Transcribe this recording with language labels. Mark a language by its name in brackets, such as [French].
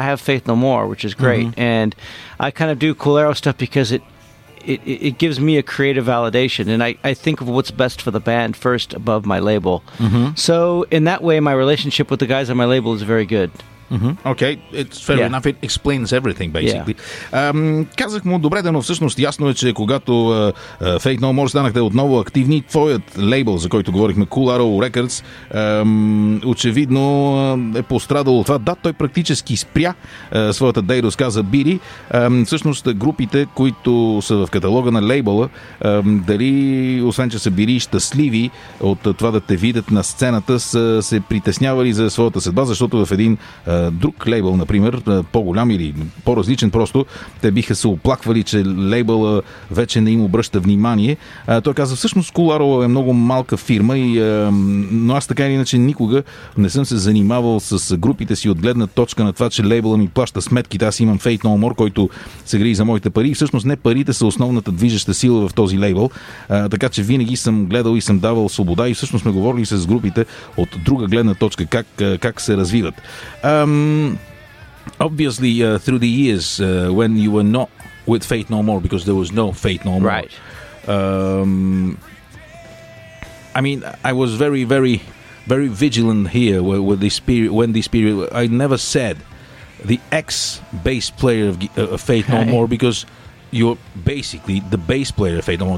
[English] I have Faith No More, which is great. Mm-hmm. And I kind of do Cool Arrow stuff because it gives me a creative validation, and I think of what's best for the band first above my label. Mm-hmm. So in that way, my relationship with the guys on my label is very good. Mm-hmm. Okay, it's fair enough. It explains everything, basically. Yeah. [Bulgarian] Казах му, добре, но всъщност ясно е, че когато Faith No More станахте отново активни, твоят лейбъл, за който говорихме, Cool Arrow Records, очевидно е пострадал от това. Да, той практически спря своята дейност, каза Бири. Всъщност групите, които са в каталога на лейбъла, дали, освен че са били щастливи от това да те видят на сцената, са се притеснявали за своята съдба, защото в един друг лейбъл, например, по-голям или по-различен просто, те биха се оплаквали, че лейбъла вече не им обръща внимание. Той каза, всъщност Cool Arrow е много малка фирма, но аз така или иначе никога не съм се занимавал с групите си от гледна точка на това, че лейбъла ми плаща сметките. Аз имам Faith No More, който се грижи за моите пари. Всъщност не парите са основната движеща сила в този лейбъл, така че винаги съм гледал и съм давал свобода, и всъщност сме говорили с групите от друга гледна точка как се развиват. [English] Obviously, through the years, when you were not with Faith No More, because there was no Faith No More, right? I mean, I was very, very, very vigilant here with this period. When this period, I never said the ex-bass player of Faith No More, because you're basically the bass player of Faith No More.